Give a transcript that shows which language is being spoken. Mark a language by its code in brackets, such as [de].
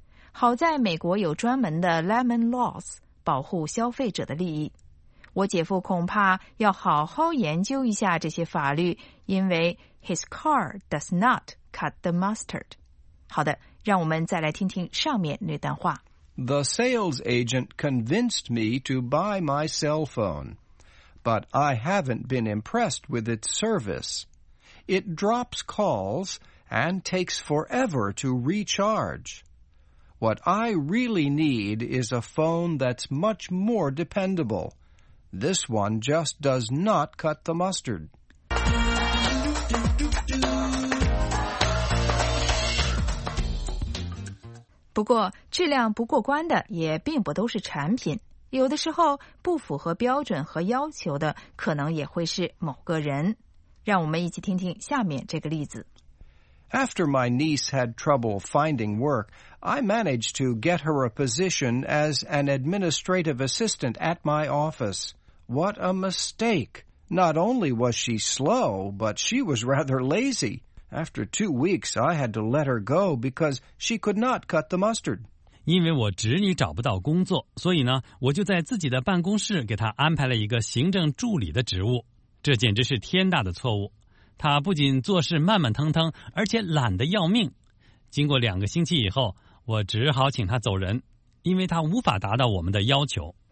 [zh] 好在美国有专门的 lemon laws， 保护消费者的利益。我姐夫恐怕要好好研究一下这些法律，因为 [en] his car does not cut the mustard。 [zh] 好的，让我们再来听听上面那段话。 [en] The sales agent convinced me to buy my cell phone, but I haven't been impressed with its service. It drops calls and takes forever to recharge. What I really need is a phone that's much more dependable. This one just does not cut the mustard. [zh] 不过，质量不过关的也并不都是产品，有的时候不符合标准和要求的可能也会是某个人。让我们一起听听下面这个例子。 [en] After my niece had trouble finding work, I managed to get her a position as an administrative assistant at my office. What a mistake! Not only was she slow, but she was rather lazy. After 2 weeks, I had to let her go because she could not cut the mustard. [zh] 因为我侄女找不到工作，所以呢，我就在自己的办公室给她安排了一个行政助理的职务。这简直是天大的错误。她不仅做事慢慢腾腾，而且懒得要命。经过两个星期以后，我只好请她走人，因为她无法达到我们的要求。